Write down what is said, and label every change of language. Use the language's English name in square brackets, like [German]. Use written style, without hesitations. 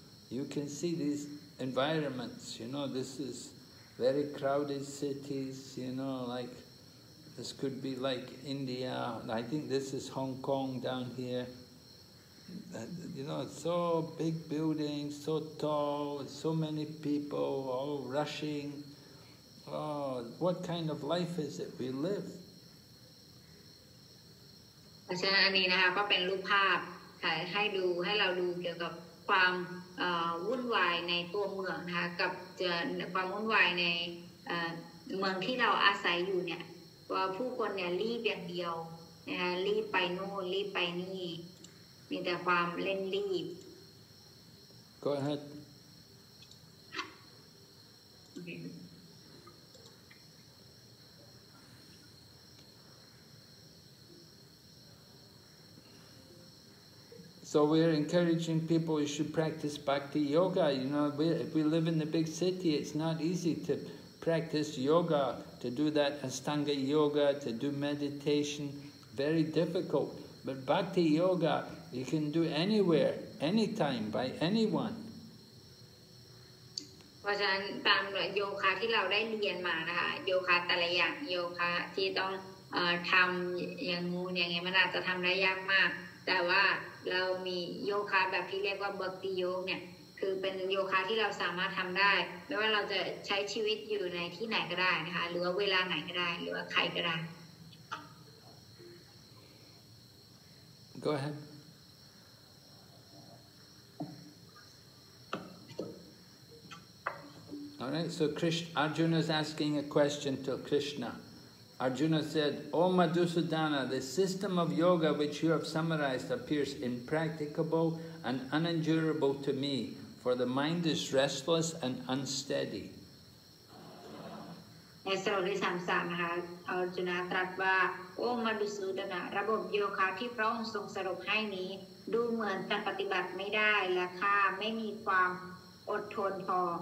[English] You can see these environments, you know, this is very crowded cities, you know, like this could be like India. I think this is Hong Kong down here. You know, so big buildings, so tall, so many people, all rushing. Oh, what kind of life is it we live? [Thai] ฉะนั้นอันนี้นะคะก็เป็นรูปภาพให้ดูให้เราดูเกี่ยวกับความวุ่นวายในตัวเมืองนะคะกับความวุ่นวายในเมืองที่เราอาศัยอยู่เนี่ยว่าผู้คนเนี่ยรีบอย่างเดียวนะคะรีบไปโน่นรีบไปนี่มีแต่ความเล่นรีบ [English] Go ahead So we're encouraging people you should practice bhakti yoga you know if we live in the big city it's not easy to practice yoga, to do that Ashtanga yoga, to do meditation, very difficult. But bhakti yoga, you can do anywhere, anytime, by anyone. [Thai] เพราะฉะนั้นตามโยคะที่เราได้เรียนมานะคะโยคะแต่ละอย่างโยคะที่ต้องทำอย่างงูอย่างไงมันอาจจะทำได้ยากมากแต่ว่าเรามีโยคะแบบที่เรียกว่าเบิร์กตีโยกเนี่ยคือเป็นโยคะที่เราสามารถทำได้ไม่ว่าเราจะใช้ชีวิตอยู่ในที่ไหนก็ได้นะคะหรือว่าเวลาไหนก็ได้หรือว่าใครก็ได้ [English] Go aheadAll right, so Arjuna is asking a question to Krishna. Arjuna said, O Madhusudana, the system of yoga which you have summarized appears impracticable and unendurable to me, for the mind is restless and unsteady. [Thai] ในสรุปที่33นะคะอาร์จุนาตรัสว่าโอ้มาดูสูดนะระบบโยคะที่พระองค์ทรงสรุปให้นี้ดูเหมือนจะปฏิบัติไม่ได้และข้าไม่มีความอดทนพอ